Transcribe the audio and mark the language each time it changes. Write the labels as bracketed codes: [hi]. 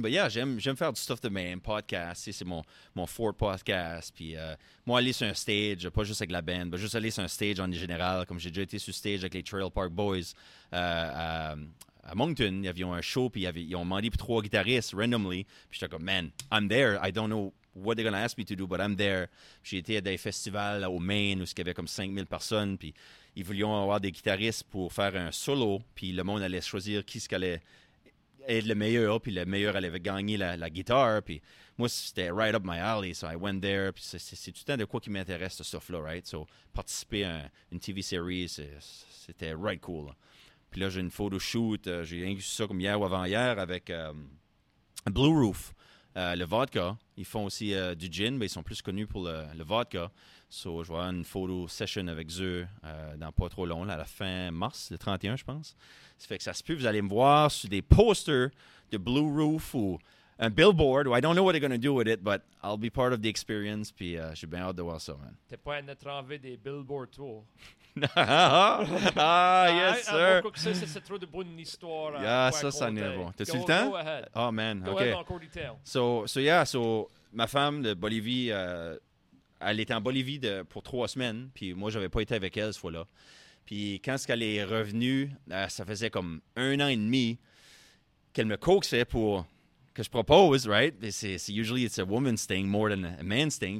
[fr] But yeah, j'aime faire du stuff de même. Podcast, c'est mon fourth podcast. Puis moi, aller sur un stage, pas juste avec la band, mais juste aller sur un stage en général. Comme j'ai déjà été sur stage avec les Trail Park Boys à Moncton, ils avaient un show, puis ils ont demandé pour trois guitaristes, randomly. Puis j'étais comme, [en] man, I'm there. I don't know what they're going to ask me to do, but I'm there. [fr] Puis j'ai été à des festivals là, au Maine où il y avait comme 5000 personnes. Puis ils voulaient avoir des guitaristes pour faire un solo. Puis le monde allait choisir qui ce allait être le meilleur. Puis le meilleur allait gagner la guitare. Puis moi, c'était [en] right up my alley. So I went there. [fr] Puis c'est tout le temps de quoi qui m'intéresse, ce stuff-là, [en] right? [fr] So participer à une TV série, c'était [en] right cool. [fr] Puis là, j'ai une photo shoot. J'ai inclus ça comme hier ou avant-hier avec Blue Roof. Le vodka, ils font aussi du gin, mais ils sont plus connus pour le vodka. [en] So, [fr] je vais avoir une photo session avec eux dans pas trop long, là, à la fin mars, le 31, je pense. Ça fait que ça se peut, vous allez me voir sur des posters de Blue Roof ou un billboard. [en] I don't know what they're going to do with it, but I'll be part of the experience. [fr] Puis j'ai bien hâte de voir ça, [en] man. [fr] T'es pas un être envie des billboard tours. [en] Ah, yes, sir. [fr] Ça, c'est trop de bonne histoire. [en] Yeah, [fr] ça n'est bon. T'as-tu le temps? [en] Go ahead. Oh, man. Go Go ahead, [fr] encore du temps. So, ma femme de Bolivie, elle était en Bolivie pour trois semaines. Puis moi, j'avais pas été avec elle ce fois-là. Puis quand est-ce qu'elle est revenue, ça faisait comme un an et demi qu'elle me coaxait pour que je propose, [en] right? Usually, it's a woman's thing more than a man's thing.